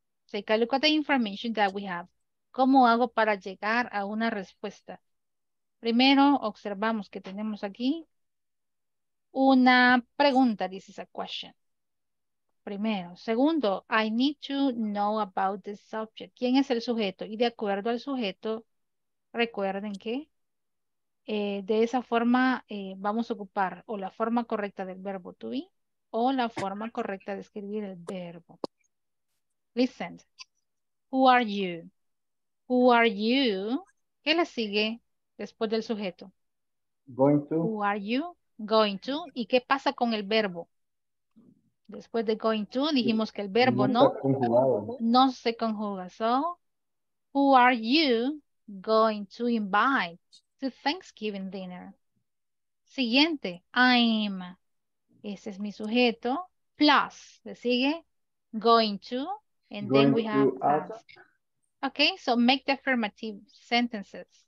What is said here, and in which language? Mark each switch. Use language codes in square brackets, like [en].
[en] Take a look at the information that we have. [es] ¿Cómo hago para llegar a una respuesta? Primero, observamos que tenemos aquí una pregunta. [en] This is a question. [es] Primero. [en] Segundo, I need to know about the subject. [es] ¿Quién es el sujeto? Y de acuerdo al sujeto, recuerden que de esa forma vamos a ocupar o la forma correcta del verbo to be o la forma correcta de escribir el verbo. [en] Listen, who are you? Who are you? [es] ¿Qué le sigue después del sujeto? [en] Going to. Who are you? Going to. [es] ¿Y qué pasa con el verbo? Después de going to, dijimos que el verbo no se conjuga. [en] So, who are you going to invite to Thanksgiving dinner? [es] Siguiente, I'm. Ese es mi sujeto. [en] Plus, [es] le sigue [en] going to. And then we have okay, so make the affirmative sentences.